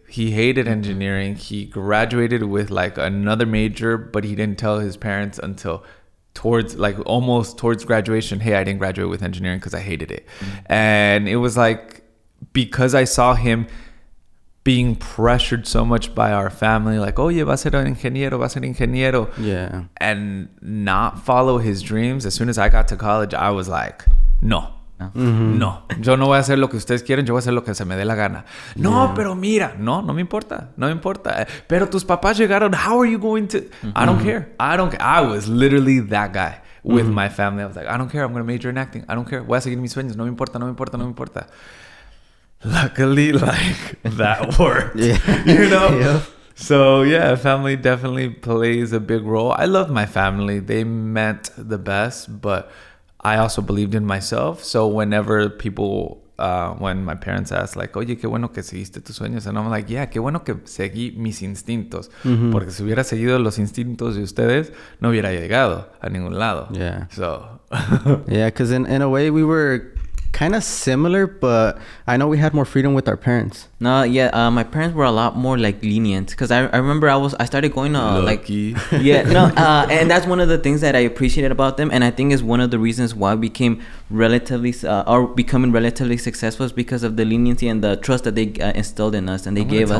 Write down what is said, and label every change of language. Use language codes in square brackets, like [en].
[en] He hated engineering. He graduated with like another major, but he didn't tell his parents until almost towards graduation, hey, I didn't graduate with engineering because I hated it. And it was like, because I saw him being pressured so much by our family, like, [es] oye, va a ser un ingeniero, va a ser ingeniero. [en] Yeah. And not follow his dreams. As soon as I got to college, I was like, no. No. [es] Mm-hmm. No, yo no voy a hacer lo que ustedes quieren, yo voy a hacer lo que se me dé la gana. No, pero mira, no me importa, no me importa. Pero tus papás llegaron, [en] how are you going to? I don't care. I was literally that guy with my family. I was like, I don't care, I'm going to major in acting. I don't care, [es] voy a seguir mis sueños, no me importa, no me importa, no me importa. [en] Luckily, like, that worked. You know? So yeah, family definitely plays a big role. I love my family, they meant the best, but I also believed in myself. So whenever people, when my parents ask, like, [es] oye, qué bueno que seguiste tus sueños. [en] And I'm like, yeah, [es] qué bueno que seguí mis instintos. Mm-hmm. Porque si hubiera seguido los instintos de ustedes, no hubiera llegado a ningún lado. [en] Yeah. So. Yeah, because in a way we were kind of similar, but I know we had more freedom with our parents. No, yeah, my parents were a lot more like lenient, because I remember I started going to like, yeah, no, and that's one of the things that I appreciated about them, and I think is one of the reasons why we became relatively becoming relatively successful, is because of the leniency and the trust that they instilled in us, and they gave us.